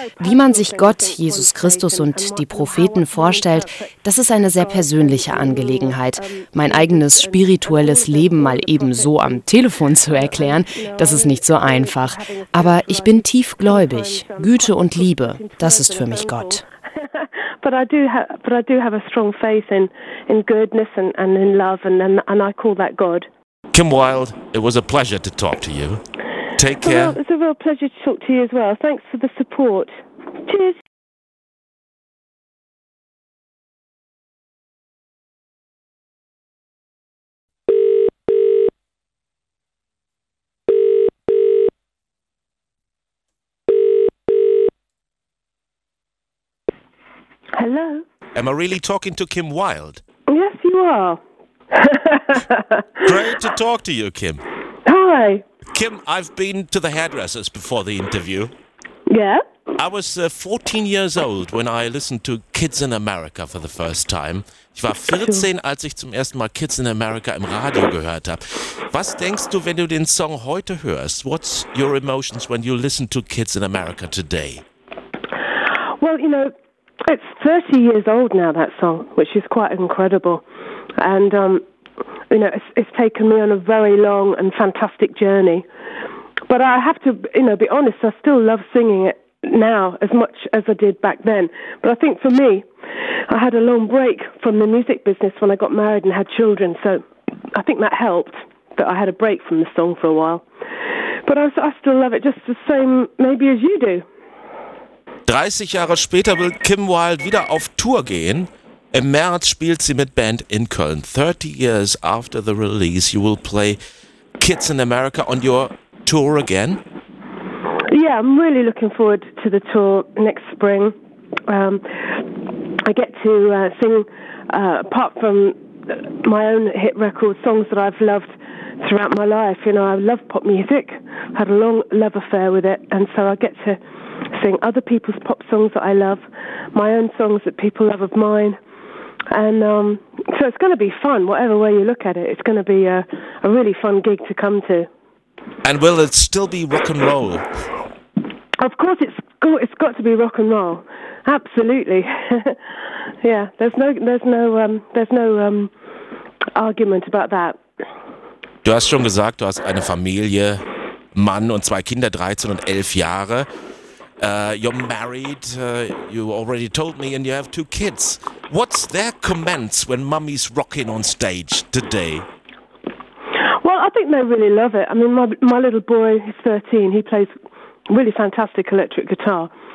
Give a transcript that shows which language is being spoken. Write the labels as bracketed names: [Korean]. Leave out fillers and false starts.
[German] Wie man sich Gott, Jesus Christus und die Propheten vorstellt, das ist eine sehr persönliche Angelegenheit. Mein eigenes spirituelles Leben mal eben so am Telefon zu erklären, das ist nicht so einfach. Aber ich bin tiefgläubig, Güte und Liebe, das ist für mich Gott. [English] Kim Wilde, it was a pleasure to talk to you. Take care. Well, it's a real pleasure to talk to you as well. Thanks for the support. Cheers. Hello? Am I really talking to Kim Wilde? Yes, you are. Great to talk to you, Kim. Hi. Kim, I've been to the hairdressers before the interview. Yeah? I was 14 years old when I listened to Kids in America for the first time. [German] Ich war 14, als ich zum ersten Mal Kids in America im Radio gehört habe. Was denkst du, wenn du den Song heute hörst? [English] What's your emotions when you listen to Kids in America today? Well, you know, it's 30 years old now, that song, which is quite incredible. And, you know, it's taken me on a very long and fantastic journey. But I have to, you know, be honest, I still love singing it now as much as I did back then. But I think for me, I had a long break from the music business when I got married and had children. So I think that helped, that I had a break from the song for a while. But I still love it just the same, maybe as you do. [German] 30 Jahre später will Kim Wilde wieder auf Tour gehen. Im März spielt sie mit Band in Köln. [English] 30 years after the release, you will play Kids in America on your tour again? Yeah, I'm really looking forward to the tour next spring. I get to sing, apart from my own hit record, songs that I've loved throughout my life. You know, I love pop music, had a long love affair with it, and so I get to sing other people's pop songs that I love, my own songs that people love of mine. And so it's going to be fun, whatever way you look at it. It's going to be a really fun gig to come to. And will it still be rock and roll? Of course, it's got to be rock and roll. Absolutely. Yeah, there's no argument about that. [German] Du hast schon gesagt, du hast eine Familie, Mann und zwei Kinder, 13 und 11 Jahre. [English] You're married, you already told me, and you have two kids. What's their comments when mummy's rocking on stage today? Well, I think they really love it. I mean, my little boy, he's 13, he plays really fantastic electric guitar.